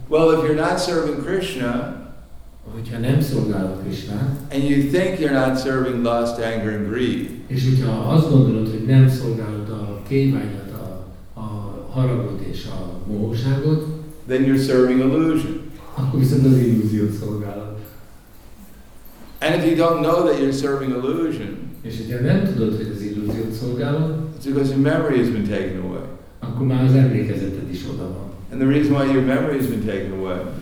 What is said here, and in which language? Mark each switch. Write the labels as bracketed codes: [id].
[en] Well, if you're not serving Krishna, [hu] hogyha nem szolgálod Krisnát, [en] and you think you're not serving lust, anger and greed, [hu] és hogyha azt gondolod, hogy nem szolgálod a kívánat, a haragot és a mohóságot, [en] then you're serving illusion. [hu] Akkor viszont az illúziót szolgálod. [en] And if you don't know that you're serving illusion, [hu] és hogyha nem tudod, hogy az illúziót szolgálod, [en] it's because your memory has been taken away. [hu] Akkor már az emlékezeted is oda van. [en] And the reason why your memory has been taken away,